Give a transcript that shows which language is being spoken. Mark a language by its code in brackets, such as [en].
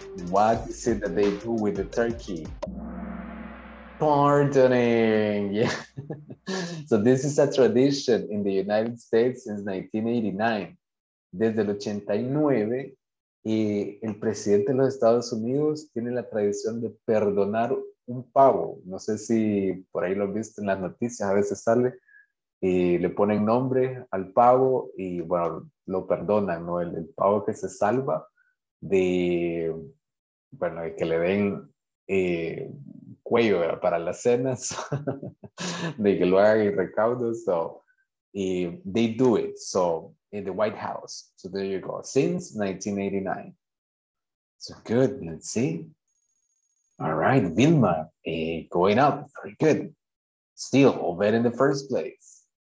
[en] What is it that they do with the turkey? Pardoning, yeah. So this is a tradition in the United States since 1989. [es] Desde el 89, el presidente de los Estados Unidos tiene la tradición de perdonar un pavo. No sé si por ahí lo han visto en las noticias, a veces sale y le ponen nombre al pavo y bueno, lo perdonan, ¿no? El pavo que se salva de, bueno, que le den cuello para las cenas, de que lo hagan y recaudo. [en] So, they do it, so, in the White House. So there you go, since 1989. So good, let's see. All right, Vilma, going up, very good. Still, Obed in the first place.